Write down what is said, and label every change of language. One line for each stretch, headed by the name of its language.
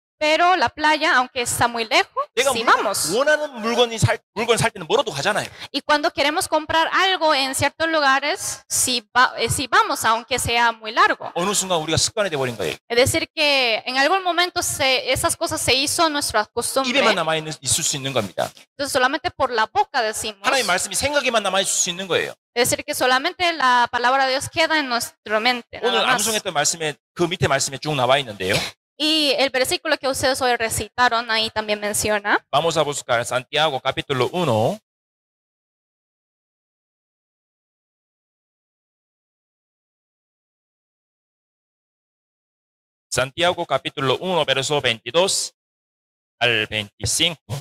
Spanish: Pero la playa, aunque está muy lejos, sí,
Korean: 물건,
Spanish: vamos.
Korean: 원하는 물건 살 때는 멀어도 가잖아요.
Spanish: Y cuando queremos comprar algo en ciertos lugares, sí vamos, aunque sea muy largo.
Korean: 어느 순간 우리가 습관이 돼버린 거예요.
Spanish: Es decir que en algún momento esas cosas se hizo nuestra costumbre.
Korean: 입에만 남아있을 수 있는 겁니다.
Spanish: Entonces solamente por la boca decimos.
Korean: 하나님 말씀이 생각에만 남아있을 수 있는 거예요.
Spanish: Es decir que solamente la palabra de Dios queda en nuestra mente.
Korean: 오늘 암송했던 말씀에 그 밑에 말씀에 쭉 나와 있는데요.
Spanish: Y el versículo que ustedes hoy recitaron ahí también menciona. Vamos a buscar Santiago capítulo 1. Santiago capítulo 1, verso 22 al 25.